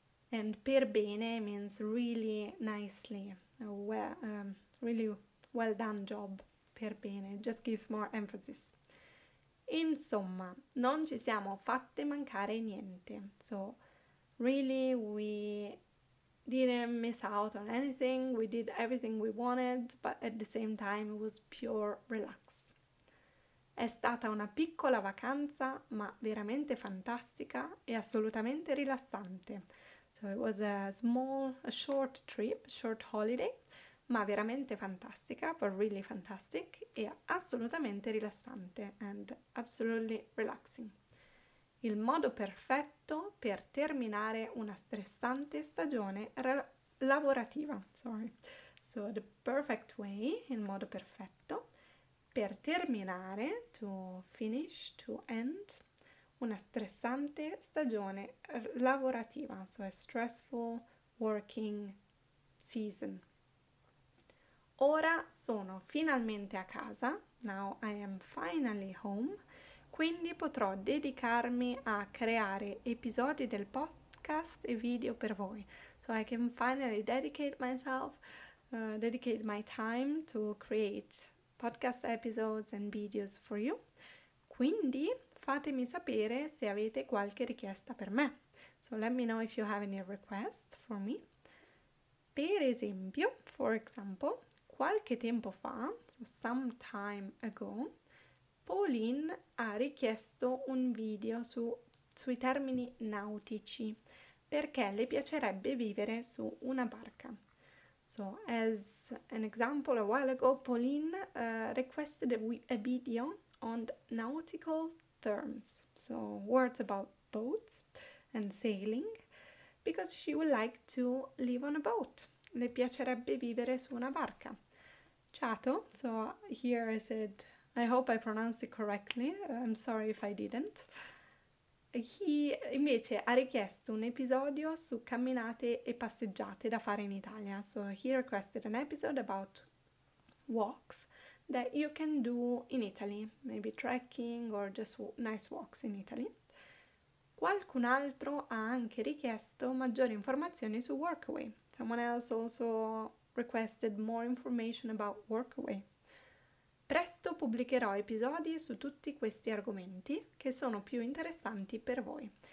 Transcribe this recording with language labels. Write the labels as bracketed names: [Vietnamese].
[English] And [Italian] per bene [English] means really nicely, well done job, per bene, just gives more emphasis. [Italian] Insomma, non ci siamo fatte mancare niente. [English] So, really, we didn't miss out on anything. We did everything we wanted, but at the same time, it was pure relax. [Italian] È stata una piccola vacanza, ma veramente fantastica e assolutamente rilassante. [English] So, it was a short trip, short holiday, [Italian] ma veramente fantastica, [English] but really fantastic, [Italian] e assolutamente rilassante, [English] and absolutely relaxing. [Italian] Il modo perfetto per terminare una stressante stagione lavorativa. [English] Sorry. So the perfect way, [Italian] il modo perfetto, per terminare, [English] to finish, to end, [Italian] una stressante stagione lavorativa. [English] So a stressful working season. [Italian] Ora sono finalmente a casa, [English] now I am finally home, [Italian] quindi potrò dedicarmi a creare episodi del podcast e video per voi. [English] So I can finally dedicate my time to create podcast episodes and videos for you. [Italian] Quindi fatemi sapere se avete qualche richiesta per me. [English] So let me know if you have any request for me. [Italian] Per esempio, [English] for example, [Italian] qualche tempo fa, [English] so some time ago, [Italian] Pauline ha richiesto un video sui termini nautici, perché le piacerebbe vivere su una barca. [English] So, as an example, a while ago, Pauline requested a video on nautical terms, so words about boats and sailing, because she would like to live on a boat. [Italian] Le piacerebbe vivere su una barca. [English] Chato, so here I said, I hope I pronounced it correctly, I'm sorry if I didn't. [Italian] He invece ha richiesto un episodio su camminate e passeggiate da fare in Italia. [English] So he requested an episode about walks that you can do in Italy, maybe trekking or just nice walks in Italy. [Italian] Qualcun altro ha anche richiesto maggiori informazioni su Workaway. [English] Someone else also requested more information about Workaway. [Italian] Presto pubblicherò episodi su tutti questi argomenti che sono più interessanti per voi.